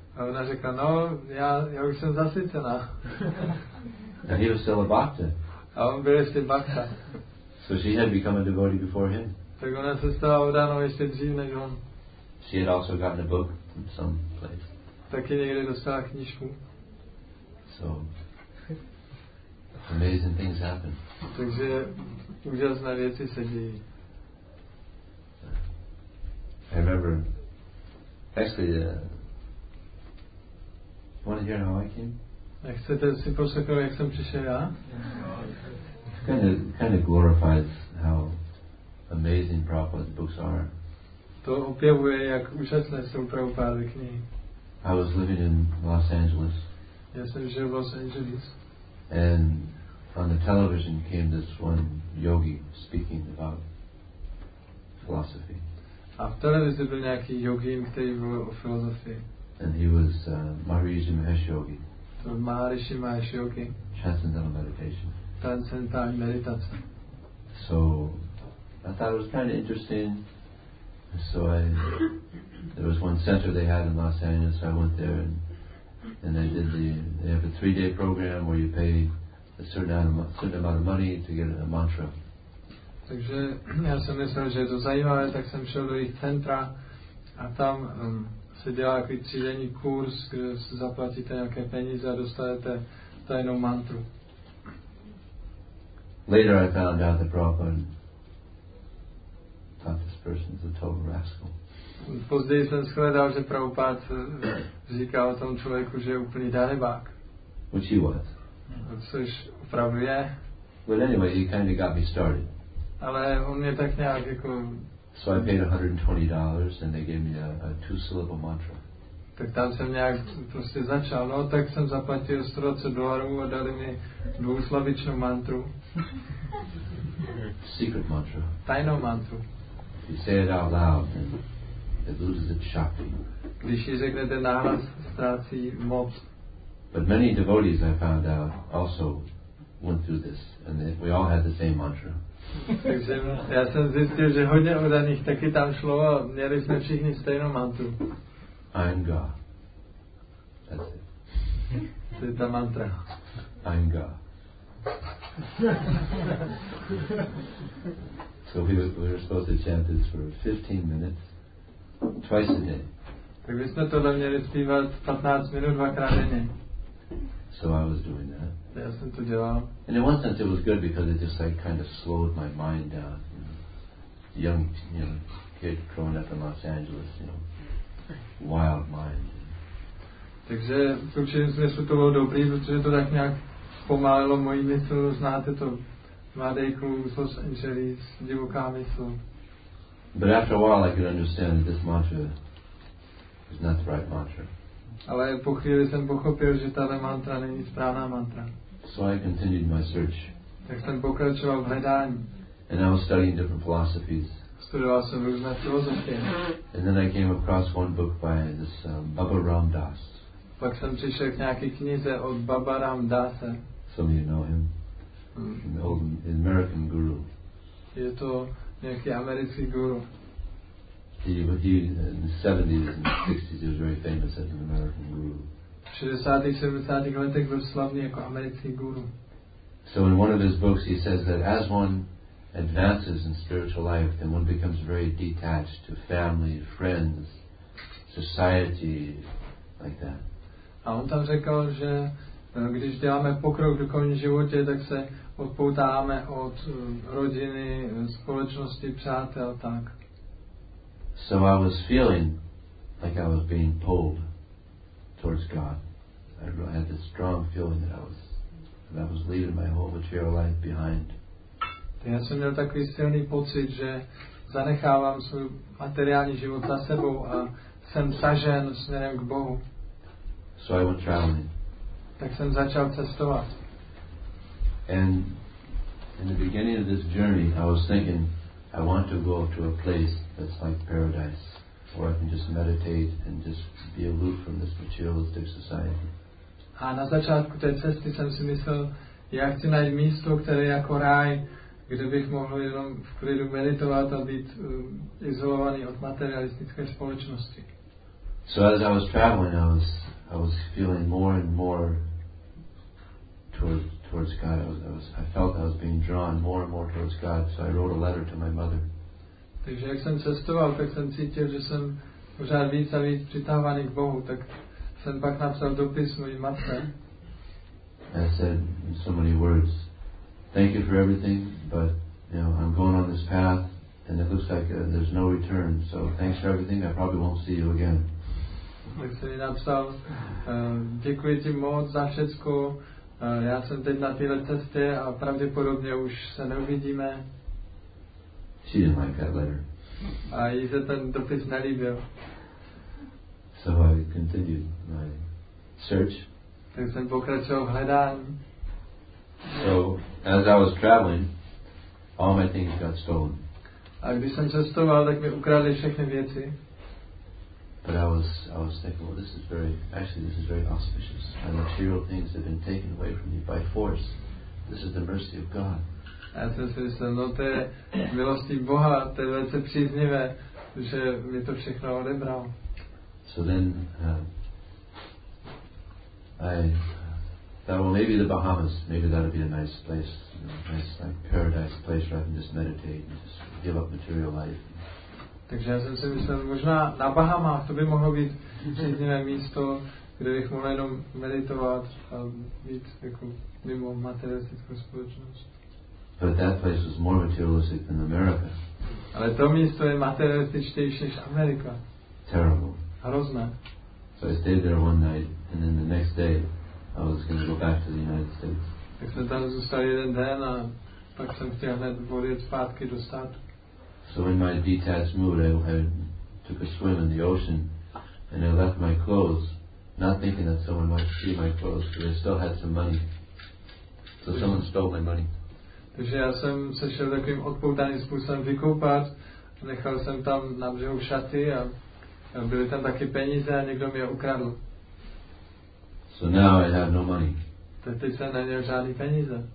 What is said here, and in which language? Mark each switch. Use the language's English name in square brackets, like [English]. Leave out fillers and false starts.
[Czech] A ona řekla, no, já už jsem zasvěcená. [English] And he was still a bhakta. [Czech] A on byl ještě bhakta. [English] So she had become a devotee before him. [Czech] Tak ona se stala udanou ještě dřív než on. [English] She had also gotten a book from some place. [Czech] Taky někde dostala knížku. [English] So, amazing things happen. [Czech] Takže úžasné věci se dějí. [English] I remember. Actually, want to hear how I came? [Czech] Chcete si poslechnout, jak jsem přišel já? [English] kind of glorifies how amazing Prabhupada's books are. [Czech] To opjevuje, jak úžasné jsou Prabhupádovy knihy. [English] I was living in Los Angeles. [Czech] Já jsem žil v Los Angeles. [English] And on the television came this one yogi speaking about philosophy. [Czech] A v televizi byl nějaký jogín, který byl o filozofii. [English] And he was Maharishi Mahesh Yogi. [Czech] To byl Maharishi Mahesh Yogi. [English] Transcendental meditation. [Czech] Transcendental meditace. [English] So I thought it was kind of interesting. So there was one center they had in Los Angeles, so I went there and they did they have a 3-day program where you pay a certain amount of money to get a mantra. [Czech] Takže já jsem myslel, že je to zajímavé, tak jsem šel do jejich centra a tam se dělá takový 3-denní kurz, kde se zaplatíte nějaké peníze a dostanete tajnou mantru. [English] Later I found out the problem. Thought this person is a total rascal. [Czech] Později jsem shledal, že Prabhupád říkal o tom člověku, že je úplný darebák. [English] Which he was. [Czech] Což opravdu je. [English] Well, anyway, he kind of got me started. [Czech] Ale on mě tak nějak jako... [English] So I paid $120 and they gave me a 2-syllable mantra. [Czech] Tak tam jsem nějak prostě začal. No, tak jsem zaplatil $120 a dali mi 2-slabičnou mantru. [English] Secret mantra. [Czech] Tajnou mantru. [English] You say it out loud and it loses its shakti. [Czech] Když ji řeknete nahlas, ztrácí moc. [English] But many devotees, I found out, also went through this. And we all had the same mantra. [Czech] Takže já jsem zjistil, že hodně odaných taky tam šlo a měli jsme všichni stejnou mantru. [English] I'm God. That's it. [Czech] To je ta mantra. [English] I'm God. So we were supposed to chant this for 15 minutes, twice a day. [Czech] Tak my jsme tohle měli zpívat 15 minut dvakrát denně. [English] So I was doing that. [Czech] Já jsem to dělal. [English] And in one sense it was good because it just like kind of slowed my mind down. Young kid growing up in Los Angeles, wild mind. [Czech] Takže v určitém smyslu to bylo dobrý, protože to tak nějak pomalilo moji mysl, znáte to. Mladej kluk z Los Angeles, divoká mysl. [English] But after a while I could understand that this mantra is not the right mantra. [Czech] Ale po chvíli jsem pochopil, že tato mantra není správná mantra. [English] So I continued my search. [Czech] Tak jsem pokračoval v hledání. [English] And I was studying different philosophies. [Czech] Studoval jsem různé filozofie. [English] And then I came across one book by this Baba Ram Das. [Czech] Pak jsem přišel k nějaké knize od Baba Ram Dase. [English] Some of you know him. An old American guru. [Czech] Je to nějaký americký guru. [English] He in the 70s and 60s he was very famous as an American guru. [Czech] 60. 70. letech byl slavný jako americký guru. [English] So in one of his books he says that as one advances in spiritual life, then one becomes very detached to family, friends, society, like that. [Czech] A on tam řekl, že když děláme pokrok v duchovním životě, tak se odpoutáváme od rodiny, společnosti, přátel, tak. [English] So I was feeling like I was being pulled towards God. I had this strong feeling that I was leaving my whole material life behind. [Czech] Já jsem měl takový silný pocit, že zanechávám svůj materiální život za sebou a jsem tažen směrem k Bohu. [English] So I went traveling. [Czech] Tak jsem začal cestovat. [English] And in the beginning of this journey, I was thinking, I want to go to a place that's like paradise, where I can just meditate and just be aloof from this materialistic society. [Czech] A na začátku té cesty jsem si myslel, já chci najít místo, které je jako ráj, kde bych mohl jenom v klidu meditovat a být izolovaný od materialistické společnosti. [English] So as I was traveling, I was feeling more and more towards God. I felt I was being drawn more and more towards God. So I wrote a letter to my mother. [Czech] Takže jak jsem cestoval, tak jsem cítil, že jsem pořád víc a víc přitahovaný k Bohu. Tak jsem pak napsal dopis mojí matce. [English] I said in so many words, thank you for everything, but I'm going on this path, and it looks like there's no return. So thanks for everything. I probably won't see you again. [Czech] Tak jsem jí napsal, děkuji ti moc za všecko, Já jsem teď na téhle cestě a pravděpodobně už se neuvidíme. [English] She didn't like that letter. [Czech] A jí se ten dopis nelíbil. [English] So I continued my search. [Czech] Tak jsem pokračoval v hledání. [English] So as I was traveling, all my things got stolen. [Czech] A když jsem cestoval, tak mi ukradli všechny věci. [English] But I was thinking, well, this is very auspicious. My material things have been taken away from me by force. This is the mercy of God. [Czech] A já jsem si myslel, no to je milostí Boha, to je velice příznivé, že mi to všechno odebral. [English] So then, I thought, well, maybe the Bahamas, maybe that would be a nice place, you know, a nice like paradise place where I can just meditate and just give up material life. [Czech] Takže já jsem si myslel, možná na Bahamách to by mohlo být příznivé místo, kde bych mohl jenom meditovat a být jako mimo materialistickou společnost. [English] But that place was more materialistic than America. [Czech] Ale to místo je materialističtější než Amerika. [English] Terrible. [Czech] Hrozné. [English] So I stayed there one night, and then the next day I was going to go back to the United States. [Czech] Tak jsem tam zůstal jeden den a pak jsem chtěl hned odjet zpátky do státu. [English] So in my detached mood, I took a swim in the ocean, and I left my clothes, not thinking that someone might see my clothes, because I still had some money. So someone stole my money. [Czech] Takže já jsem se šel takovým odpoutaným způsobem vykoupat, nechal jsem tam na břehu šaty a byly tam taky peníze a někdo mi je ukradl. [English] So now I have no money. [Czech] Tak teď jsem neměl žádný peníze.